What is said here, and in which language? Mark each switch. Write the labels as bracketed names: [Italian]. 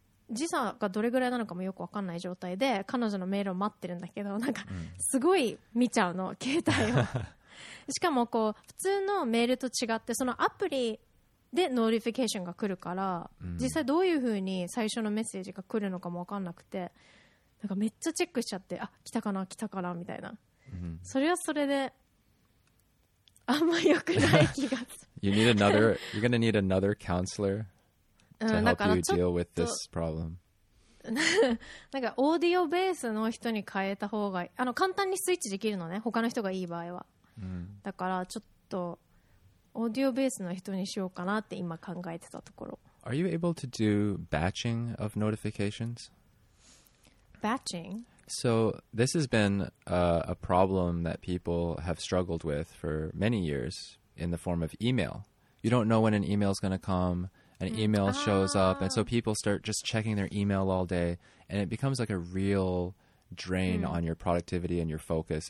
[Japanese] 時差がどれぐらいなのかもよく分かんない状態で彼女のメールを待ってるんだけどなんかすごい見ちゃうの携帯をしかもこう普通のメールと違ってそのアプリでノーリフィケーションが来るから、うん、実際どういう風に最初のメッセージが来るのかも分かんなくてなんかめっちゃチェックしちゃってあ来たかな来たかなみたいな、うん、それはそれであんま良くない気がする [English] You need another You're gonna need another counselor to help you deal with this problem [Japanese] なんかオーディオベースの人に変えた方がいいあの簡単にスイッチできるのね他の人がいい場合は、うん、だからちょっとオーディオベースの人にしようかなって今考えてたところ。 [English] Are you able to do batching of notifications? Batching? So this has been a problem that people have struggled with for many years in the form of email. You don't know when an email is going to come, an email shows up, and so people start just checking their email all day, and it becomes like a real drain on your productivity and your focus.